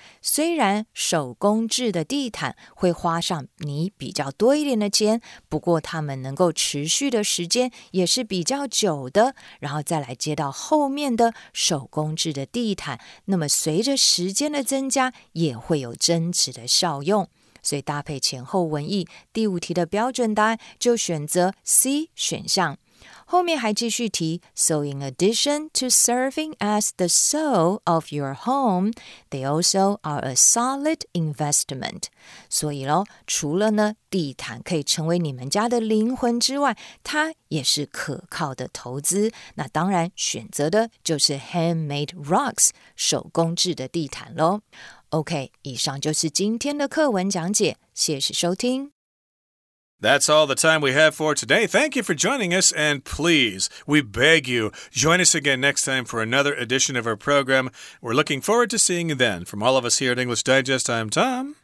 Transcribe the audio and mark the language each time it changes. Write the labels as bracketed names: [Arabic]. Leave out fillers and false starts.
[Chinese] 虽然手工制的地毯会花上你比较多一点的钱，不过它们能够持续的时间也是比较久的，然后再来接到后面的手工制的地毯，那么随着时间的增加也会有增值的效用。所以搭配前后文意，第五题的标准答案就选择 C 选项。后面还继续提 [English] So in addition to serving as the soul of your home, they also are a solid investment. [Chinese] 所以咯，除了呢地毯可以成为你们家的灵魂之外，它也是可靠的投资。那当然选择的就是 [English] handmade rugs， [Chinese] 手工制的地毯咯。 OK， 以上就是今天的课文讲解，谢谢收听。 [English] That's all the time we have for today. Thank you for joining us, and please, we beg you, join us again next time for another edition of our program. We're looking forward to seeing you then. From all of us here at English Digest, I'm Tom.